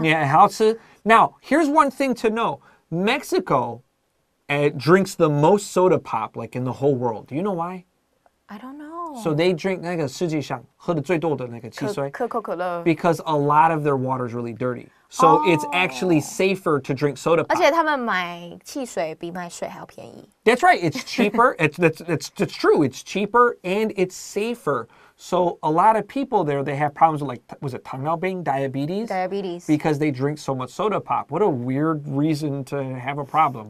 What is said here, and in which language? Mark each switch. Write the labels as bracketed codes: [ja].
[en] Yeah, [zh] 好吃。 [en] Now, here's one thing to know. Mexico drinks the most soda pop, like in the whole world. Do you know why? I don't know. So they drink [zh] 那个世界上喝的最多的那个汽水。可口可乐。 [en] Because a lot of their water is really dirty. So it's actually safer to drink soda pop. [zh] 而且他们买汽水比买水还要便宜。 [en] That's right. It's cheaper. it's true. It's cheaper and it's safer. So a lot of people there, they have problems with like, was it 糖尿病, diabetes? Diabetes. Because they drink so much soda pop. What a weird reason to have a problem.